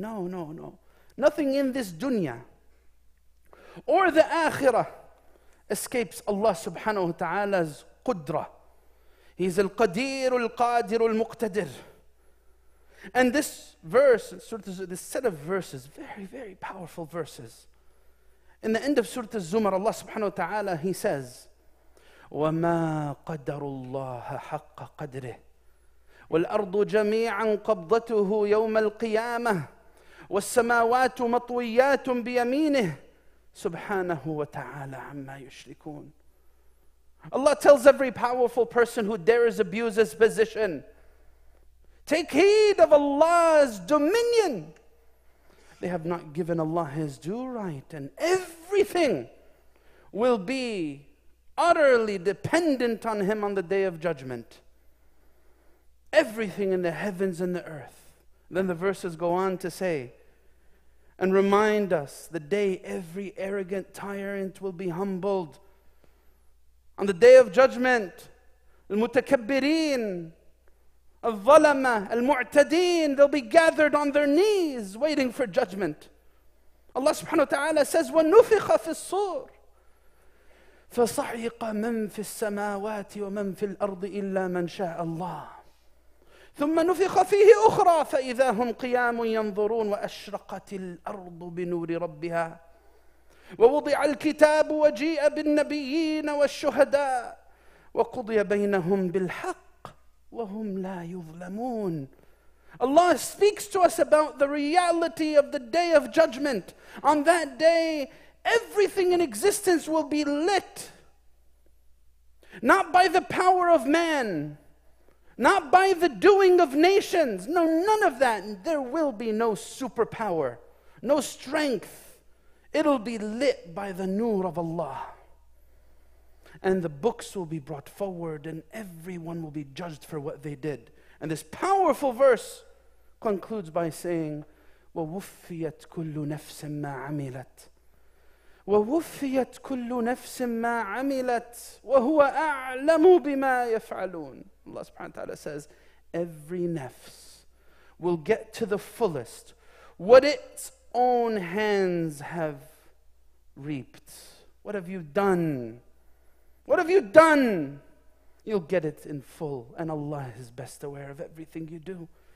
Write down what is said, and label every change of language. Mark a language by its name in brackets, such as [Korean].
[English] No. Nothing in this dunya or the akhirah escapes Allah subhanahu wa ta'ala's qudra. He is al-qadir, al-qadir, al-muqtadir. And this verse, this set of verses, very, very powerful verses. In the end of Surah Az-Zumar, Allah subhanahu wa ta'ala, he says, [Arabic] وَمَا قَدَرُ اللَّهَ حَقَّ قَدْرِهِ وَالْأَرْضُ جَمِيعًا قَبْضَتُهُ يَوْمَ الْقِيَامَةِ وَالسَّمَاوَاتُ مَطْوِيَّاتٌ بِيَمِينِهِ سُبْحَانَهُ وَتَعَالَى عَمَّا يُشْرِكُونَ. [English] Allah tells every powerful person who dares abuse his position, take heed of Allah's dominion. They have not given Allah his due right, and everything will be utterly dependent on him on the day of judgment. Everything in the heavens and the earth. Then the verses go on to say, and remind us, the day every arrogant tyrant will be humbled. On the day of judgment, [Arabic] المتكبرين الظلمة المعتدين, [English] they'll be gathered on their knees waiting for judgment. [Arabic] Allah subhanahu wa ta'ala says, وَنُفِخَ فِي الصُّورِ فَصَعِقَ مَنْ فِي السَّمَاوَاتِ وَمَنْ فِي الْأَرْضِ إِلَّا مَنْ شَاءَ اللَّهِ ثُمَّ نُفِخَ فِيهِ أُخْرَى فَإِذَا هُمْ قِيَامٌ يَنْظُرُونَ وَأَشْرَقَتِ الْأَرْضُ بِنُورِ رَبِّهَا وَوُضِعَ الْكِتَابُ وَجِيءَ بِالنَّبِيِّينَ وَالشُّهَدَاءِ وَقُضِيَ بَيْنَهُمْ بِالْحَقِّ وَهُمْ لَا يُظْلَمُونَ. [English] Allah speaks to us about the reality of the day of judgment. On that day, everything in existence will be lit. Not by the power of man. Not by the doing of nations. No, none of that. There will be no superpower. No strength. It'll be lit by the nur of Allah. And the books will be brought forward and everyone will be judged for what they did. And this powerful verse concludes by saying, [Arabic] وَوُفِّيَتْ كُلُّ نَفْسٍ مَّا عَمِلَتْ وَوُفِّيَتْ كُلُّ نَفْسٍ مَّا عَمِلَتْ وَهُوَ أَعْلَمُ بِمَا يَفْعَلُونَ. [English] Allah subhanahu wa ta'ala says, every nafs will get to the fullest what it's own hands have reaped. What have you done? What have you done? You'll get it in full, and Allah is best aware of everything you do.